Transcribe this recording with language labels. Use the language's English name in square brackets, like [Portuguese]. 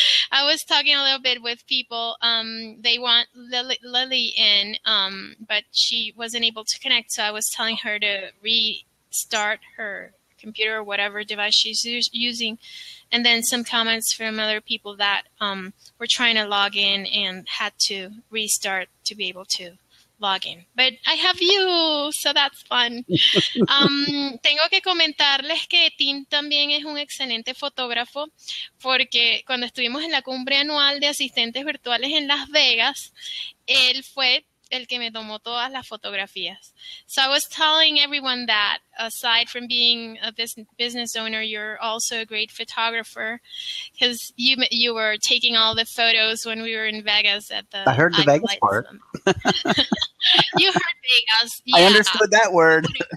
[English] I was talking a little bit with people. They want Lily in, but she wasn't able to connect, so I was telling her to restart her computer or whatever device she's using, and then some comments from other people that were trying to log in and had to restart to be able to log in. But I have you, so that's fun. [Spanish] Tengo que comentarles que Tim también es un excelente fotógrafo, porque cuando estuvimos en la cumbre anual de asistentes virtuales en Las Vegas, él fue el que me tomó todas las fotografías. [English] So I was telling everyone that aside from being a business owner, you're also a great photographer because you were taking all the photos when we were in Vegas at I the heard the Vegas iFlight part. Summit. You heard Vegas. I Yeah. understood that word.